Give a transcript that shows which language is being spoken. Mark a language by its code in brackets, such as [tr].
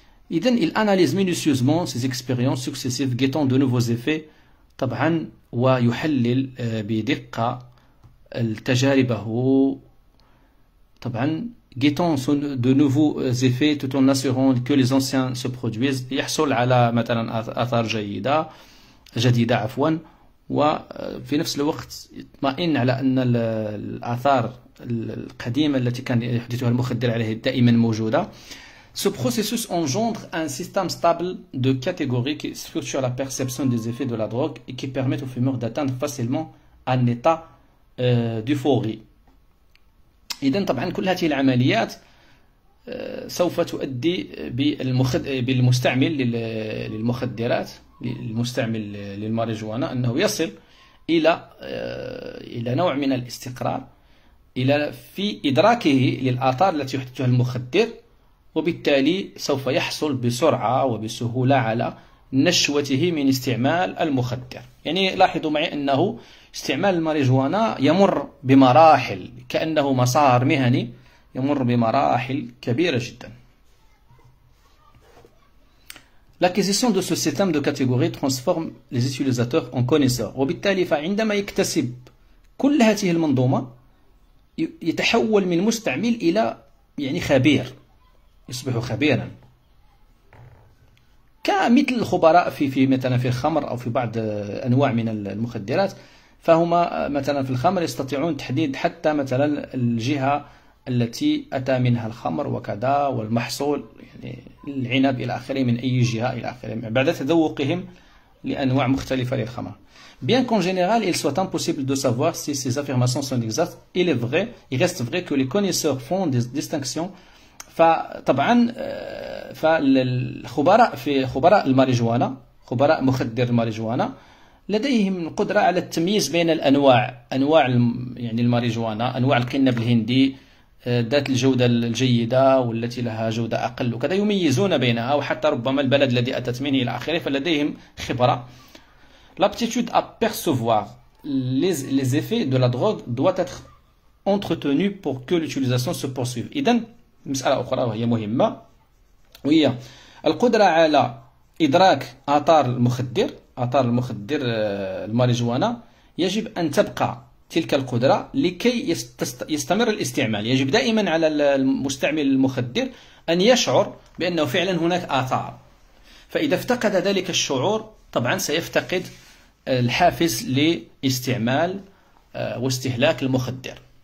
[ar] إذن [fr] il analyse minutieusement ses expériences successives, guettant de nouveaux effets, [ar] طبعا ويحلل بدقة تجاربه, طبعا [fr] guettant de nouveaux effets tout en assurant que les anciens se produisent, [ar] يحصل على مثلا آثار جديدة عفوا, وفي نفس الوقت يطمئن على أن الآثار القديمة التي كان يحدثها المخدر عليه دائما موجودة. [fr] Ce processus engendre un système stable de catégories qui structure la perception des effets de la drogue et qui permet au fumeur d'atteindre facilement un état d'euphorie. Et donc, [ar] طبعا كل هذه العمليات سوف تؤدي بالمستعمل للمخدرات للمستعمل للماريجوانا أنه يصل إلى نوع من الاستقرار إلى في إدراكه للآثار التي يحدثها المخدر. وبالتالي سوف يحصل بسرعة وبسهولة على نشوته من استعمال المخدر. يعني لاحظوا معي أنه استعمال الماريجوانا يمر بمراحل كأنه مسار مهني يمر بمراحل كبيرة جدا. [fr] L'acquisition de ce système de catégories transforme les utilisateurs en connaisseurs. [ar] وبالتالي فعندما يكتسب كل هذه المنظومة يتحول من مستعمل إلى يعني خبير يصبح خبيرا كمثل الخبراء في مثلا في الخمر او في بعض انواع من المخدرات. فهما مثلا في الخمر يستطيعون تحديد حتى مثلا الجهه التي اتى منها الخمر وكذا والمحصول يعني العنب الى اخره من اي جهه الى اخره بعد تذوقهم لأنواع مختلفة للخمر. [fr] Bien qu'en général, il soit impossible de savoir si ces affirmations sont exactes, il reste vrai que les connaisseurs font des distinctions. [ar] فطبعا فالخبراء في خبراء الماريجوانا خبراء مخدر الماريجوانا لديهم القدرة على التمييز بين الأنواع أنواع يعني الماريجوانا أنواع القنب الهندي ذات الجودة الجيدة والتي لها جودة أقل وكذا يميزون بينها وحتى ربما البلد الذي أتت منه إلى آخره فلديهم خبرة. [fr] L'aptitude à percevoir les effets de la drogue doit être entretenue pour que l'utilisation se poursuive. [ar] إذن مسألة أخرى وهي مهمة وهي القدرة على إدراك آثار المخدر آثار المخدر الماريجوانا يجب أن تبقى تلك القدرة لكي يستمر الاستعمال. يجب دائما على المستعمل المخدر أن يشعر بأنه فعلا هناك آثار، فإذا افتقد ذلك الشعور طبعا سيفتقد الحافز لاستعمال واستهلاك المخدر.